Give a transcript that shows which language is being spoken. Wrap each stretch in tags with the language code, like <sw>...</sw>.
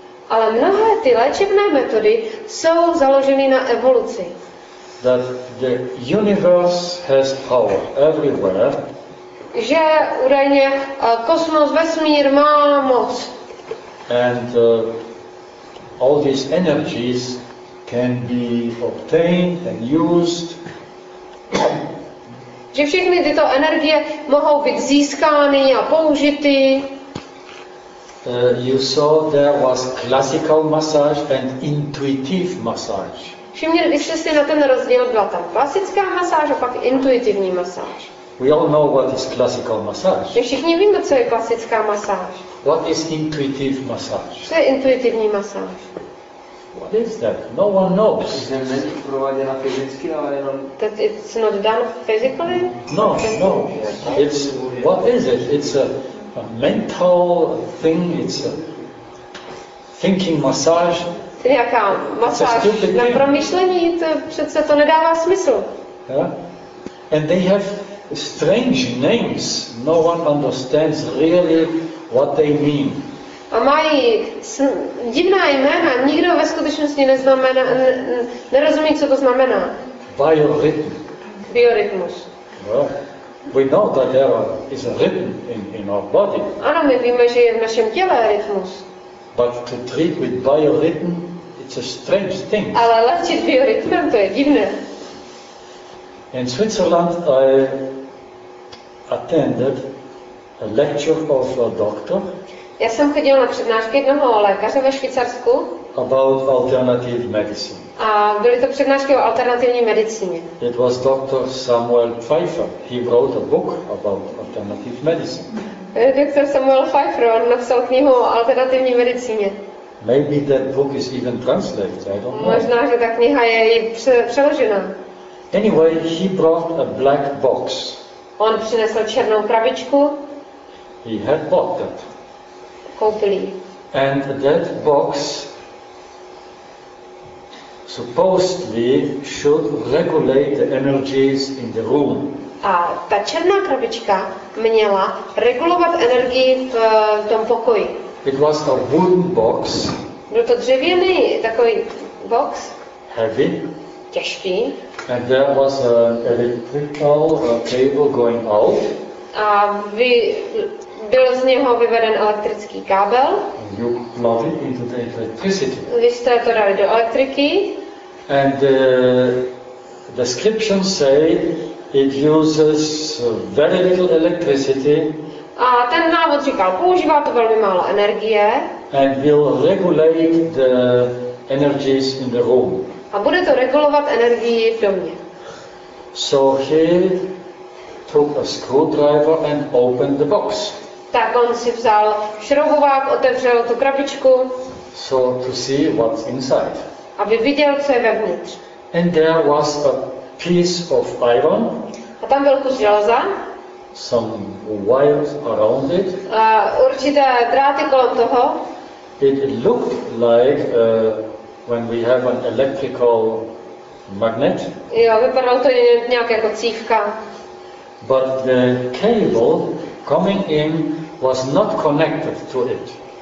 <cs>Ale mnohé ty léčebné metody jsou založeny na evoluci.</cs> <en>That the universe has power everywhere.</en> <cs>Že údajně kosmos, vesmír má moc.</cs> <en>And all these energies can be obtained and used.</en> <cs>Že všechny tyto energie mohou být získány a použity.</cs> <en>You saw there was classical massage and intuitive massage.</en> <cs>Všimněli jste si na ten rozdíl, byla tam klasická masáž a pak intuitivní masáž.</cs> <en>We all know what is classical massage.</en> <cs>My všichni víme, co je klasická masáž.</cs> <en>What is intuitive massage?</en> <cs>Co je intuitivní masáž?</cs> <en>What is that? No one knows.</en> <cs>Je to není prováděna fyzicky, ale jenom...</cs> <en>That it's not done physically? No, no. It's, what is it? It's a mental thing, it's a thinking massage.</en> <cs>To nějaká masáž na promyšlení, to přece to nedává smysl.</cs> <en>Yeah. And they have strange names. No one understands really what they mean.</en> <cs>A mají divná jména, nikdo ve skutečnosti neznamená, nerozumí, co to znamená.</cs> <en>Biorytm.</en> <cs>Biorytmus.</cs> <en>Well, we know that there is a rhythm in our body.</en> <cs>Ano, my víme, že je v našem těle rytmus.</cs> <en>But to treat with biorytm, it's a strange thing.</en> <cs>Ale léčit biorytmem, to je divné.</cs> <en>In Switzerland I attended a lecture of a doctor.</en> <cs>Já jsem chodil na přednášky jednoho lékaře ve Švýcarsku.</cs> <en>About alternative medicine.</en> <cs>A byly to přednášky o alternativní medicíně.</cs> <en>It was Dr. Samuel Pfeiffer. He wrote a book about alternative medicine.</en> <cs>Dr. Samuel Pfeiffer, on napsal knihu o alternativní medicíně.</cs> <en>Maybe that book is even translated, I don't know.</en> <cs>Možná, že ta kniha je i přeložena.</cs> <en>Anyway, he brought a black box.</en> <cs>On přinesl černou krabičku.</cs> <en>He had bought that.</en> <cs>koupili.</cs> <en>And that box supposedly should regulate the energies in the room.</en> <cs>A ta černá krabička měla regulovat energii v tom pokoji.</cs> <en>It was a wooden box.</en> <cs>Byl to dřevěný takový box.</cs> <en>Heavy.</en> <cs>Těžký.</cs> <en>And there was an electrical cable going out.</en> <cs>A byl z něho vyveden elektrický kábel.</cs> <en>You plug it into the electricity.</en> <cs>Vy jste to dali do elektriky.</cs> <en>And the description say it uses very little electricity.</en> <cs>A ten návod říkal, používá to velmi málo energie.</cs> <en>And will regulate the energies in the room.</en> <cs>A bude to regulovat energii v domě.</cs> <en>So he took a screwdriver and opened the box.</en> <cs>Tak on si vzal šroubovák, otevřel tu krabičku.</cs> <en>So to see what's inside.</en> <cs>Aby viděl, co je vevnitř.</cs> <en>And there was a piece of iron.</en> <cs>A tam byl kus železa.</cs> <en>Some wires around it.</en> <cs>A určité dráty kolem toho.</cs> <en>It looked like when we have an electrical magnet.</en> <cs>Jo, vypadalo to nějak jako cívka.</cs> <en>But the cable coming in was not connected to it.</en>